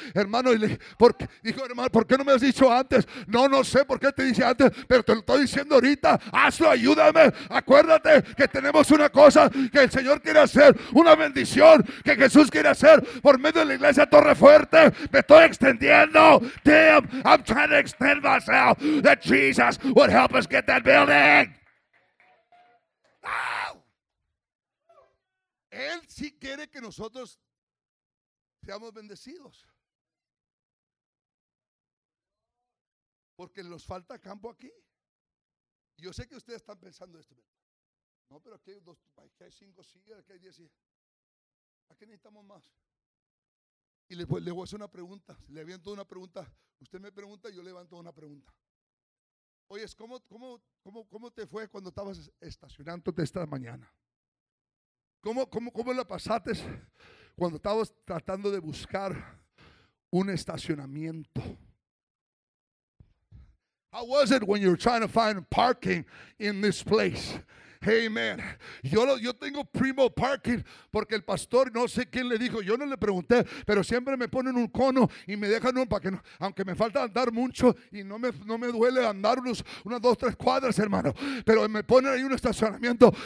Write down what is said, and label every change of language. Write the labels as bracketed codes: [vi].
[es] Hermano, y le dijo, hermano, ¿por qué no me has dicho antes? No sé por qué te dije antes, pero te lo estoy diciendo ahorita. Hazlo, ayúdame. Acuérdate que tenemos una cosa que el Señor quiere hacer, una bendición que Jesús quiere hacer por medio de la iglesia Torre Fuerte. Me estoy extendiendo. [en] Damn, I'm trying to extend myself. That Jesus would help us get that building. [es] ¡Oh! Él sí quiere que nosotros seamos bendecidos. Porque nos falta campo aquí. Yo sé que ustedes están pensando esto. No, pero aquí hay 5 sillas, aquí hay 10 sillas. Aquí necesitamos más. Y le voy a hacer una pregunta. Le aviento una pregunta. Usted me pregunta, yo levanto una pregunta. Oye, ¿cómo te fue cuando estabas estacionándote esta mañana? ¿Cómo la pasaste cuando estabas tratando de buscar un estacionamiento? [en] How was it when you were trying to find parking in this place? Hey, amen. [es] Yo tengo primo parking porque el pastor, no sé quién le dijo, yo no le pregunté, pero siempre me ponen un cono y me dejan un para que no, aunque me falta andar mucho y no me duele andar unas 2-3 cuadras, hermano, pero me ponen ahí un estacionamiento.